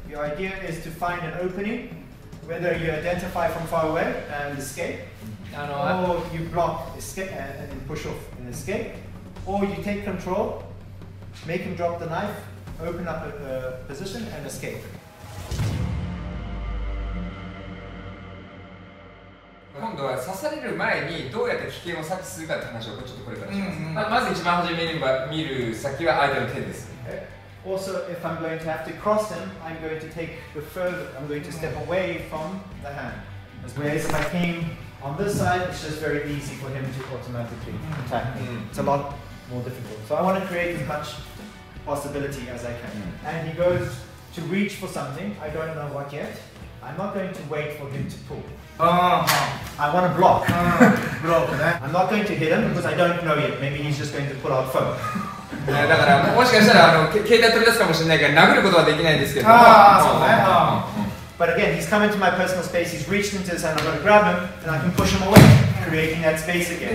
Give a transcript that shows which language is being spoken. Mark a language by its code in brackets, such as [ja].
[en] Your idea is to find an opening, whether you identify from far away and escape, or you block escape and push off and escape, or you take control, make him drop the knife, open up a position and escape. [ja] は刺される前にどうやって危険を察知するかって話をちょっとこれからします。うんうん、まず一番初めに見る先は相手の手です。 [en] Okay. Also, if I'm going to have to cross him, I'm going to take the further, I'm going to step away from the hand. As whereas if I came on this side, it's just very easy for him to automatically attack me. It's a lot more difficult. So I want to create as much possibility as I can. And he goes to reach for something. I don't know what yet. I'm not going to wait for him to pull. I want to block. [ja] Block, ね。 [en] I'm not going to hit him because I don't know yet. Maybe he's just going to pull out phone. [ja] だからもしかしたら携帯取り出すかもしれないから殴ることはできないんですけど。そうね。 [en] But again, he's come into my personal space. He's reached into his hand. I'm going to grab him and I can push him away, creating that space again.